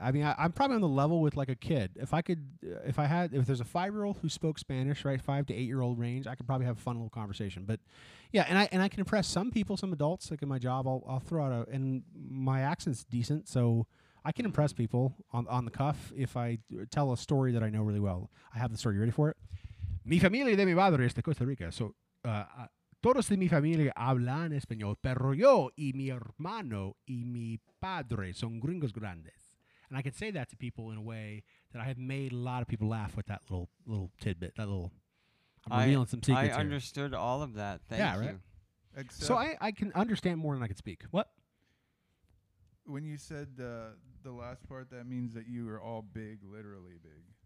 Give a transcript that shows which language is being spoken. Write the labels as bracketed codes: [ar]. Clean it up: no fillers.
[en] I mean, I'm probably on the level with like a kid. If I could, if there's a 5-year-old who spoke Spanish, right, 5 to 8-year-old range, I could probably have a fun little conversation. But yeah, and I can impress some people, some adults, like in my job, I'll throw out a, and my accent's decent, so I can impress people on the cuff if I tell a story that I know really well. I have the story. You ready for it? [es] Mi familia de mi padre es de Costa Rica. So todos de mi familia hablan español, pero yo y mi hermano y mi padre son gringos grandes. [en] And I can say that to people in a way that I have made a lot of people laugh with that little tidbit, that little, I'm revealing some secrets. I understood here. All of that. Thank yeah, you. Right? So I can understand more than I can speak. What? When you said the last part, that means that you are all big, literally big.